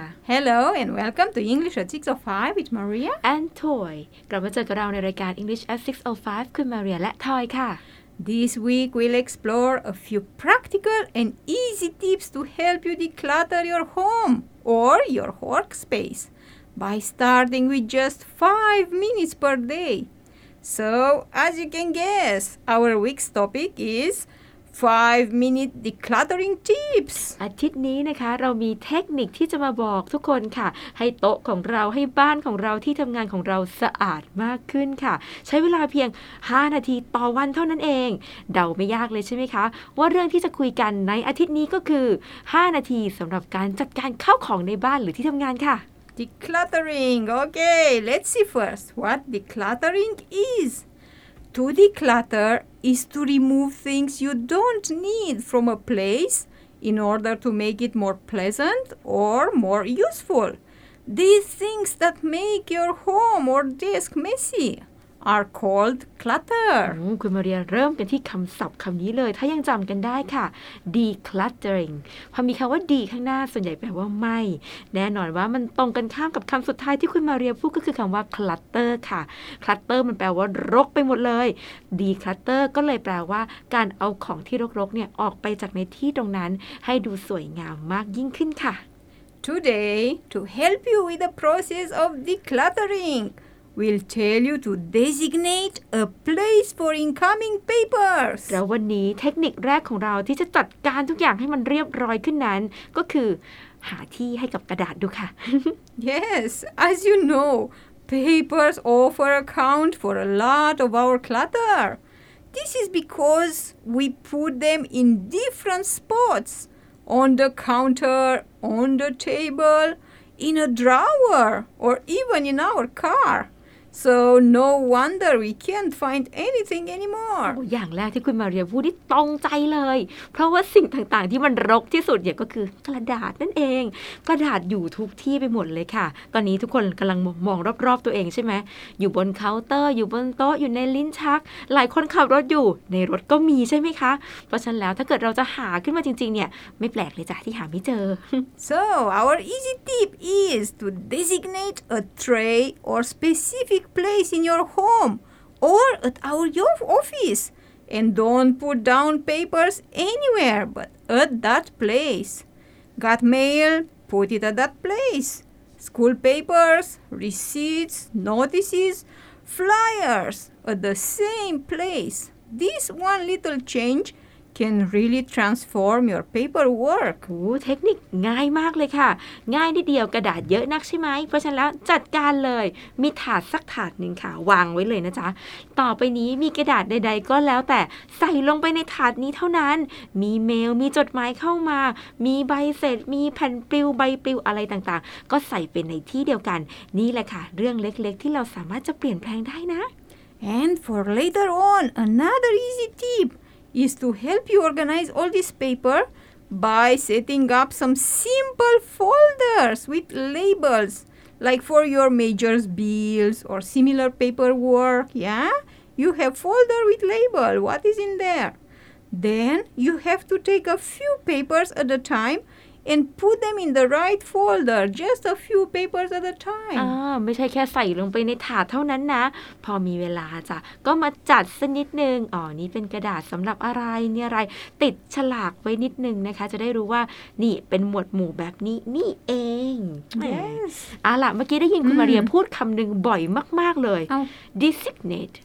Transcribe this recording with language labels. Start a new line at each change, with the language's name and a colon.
English: Hello and welcome to English at 6:05 with Maria and Toy.
Thai: กลับมาเจอกับเราในรายการ English at 6:05 คุณ Maria และ Toy ค่ะ
English: This week we'll explore a few practical and easy tips to help you declutter your home or your workspace by starting with just 5 minutes per day. So, as you can guess, our week's topic is 5 minute decluttering tips.
Thai: อาทิตย์นี้นะคะเรามีเทคนิคที่จะมาบอกทุกคนค่ะให้โต๊ะของเราให้บ้านของเราที่ทำงานของเราสะอาดมากขึ้นค่ะใช้เวลาเพียง5นาทีต่อวันเท่านั้นเองเดาไม่ยากเลยใช่ไหมคะว่าเรื่องที่จะคุยกันในอาทิตย์นี้ก็คือ5นาทีสำหรับการจัดการข้าวของในบ้านหรือที่ทำงานค่ะ
English: Decluttering. Okay, let's see first what decluttering is. To declutter is to remove things you don't need from a place in order to make it more pleasant or more useful. These things that make your home or desk messy are called clutter.
Thai: คุณมาเรียเริ่มกันที่คำศัพท์คำนี้เลยถ้ายังจำกันได้ค่ะ decluttering พอมีคำว่า de ข้างหน้าส่วนใหญ่แปลว่าไม่แน่นอนว่ามันตรงกันข้ามกับคำสุดท้ายที่คุณมาเรียพูดก็คือคำว่า clutter ค่ะ clutter มันแปลว่ารกไปหมดเลย declutter ก็เลยแปลว่าการเอาของที่รกๆเนี่ยออกไปจากในที่ตรงนั้นให้ดูสวยงามมากยิ่งขึ้นค่ะ
English: today to help you with the process of decluttering. We'll tell you to designate a place for incoming papers.
Thai: แล้ววันนี้เทคนิคแรกของเราที่จะจัดการทุกอย่างให้มันเรียบร้อยขึ้นนั้นก็คือหาที่ให้กับกระดาษดูค่ะ
English: Yes, as you know, papers often account for a lot of our clutter. This is because we put them in different spots. On the counter, on the table, in a drawer, or even in our car. So no wonder we can't find anything anymore.
Thai: อย่างแรกที่คุณมาเรียพูดที่ตรงใจเลยเพราะว่าสิ่งต่างๆที่มันรกที่สุดเนี่ยก็คือกระดาษนั่นเองกระดาษอยู่ทุกที่ไปหมดเลยค่ะตอนนี้ทุกคนกำลังมองรอบๆตัวเองใช่ไหมอยู่บนเคาน์เตอร์อยู่บนโต๊ะอยู่ในลิ้นชักหลายคนขับรถอยู่ในรถก็มีใช่ไหมคะเพราะฉะนั้นแล้วถ้าเกิดเราจะหาขึ้นมาจริงๆเนี่ยไม่แปลกเลยจ้ะที่หาไม่เจอ
English: So our easy tip is to designate a tray or specific place in your home or at your office and don't put down papers anywhere but at that place. Got mail? Put it at that place. School papers, receipts, notices, flyers at the same place. This one little changecan really transform your paperwork.
Thai: โอ้เทคนิคง่ายมากเลยค่ะง่ายนิดเดียวกระดาษเยอะนักใช่ไหมเพราะฉะนั้นแล้วจัดการเลยมีถาดสักถาดหนึ่งค่ะวางไว้เลยนะจ๊ะต่อไปนี้มีกระดาษใดๆก็แล้วแต่ใส่ลงไปในถาดนี้เท่านั้นมีเมลมีจดหมายเข้ามามีใบเสร็จมีแผ่นปลิวใบปลิวอะไรต่างๆก็ใส่ไปในที่เดียวกันนี่แหละค่ะเรื่องเล็กๆที่เราสามารถจะเปลี่ยนแปลงได้นะ
English: And for later on another easy tipis to help you organize all this paper by setting up some simple folders with labels, like for your major's bills or similar paperwork, yeah? You have folder with label, what is in there? Then you have to take a few papers at a time,and put them in the right folder just a few papers at a time
Thai: ไม่ใช่แค่ใส่ลงไปในถาดเท่านั้นนะพอมีเวลาจ้ะก็มาจัดสักนิดนึงอ๋อนี่เป็นกระดาษสำหรับอะไรเนี่ยอะไรติดฉลากไว้นิดนึงนะคะจะได้รู้ว่านี่เป็นหมวดหมู่แบบนี้นี่เอง
English: yes
Thai: อ่ะล่ะเมื่อกี้ได้ยินคุณมาเรียพูดคำหนึ่งบ่อยมากๆเลย designate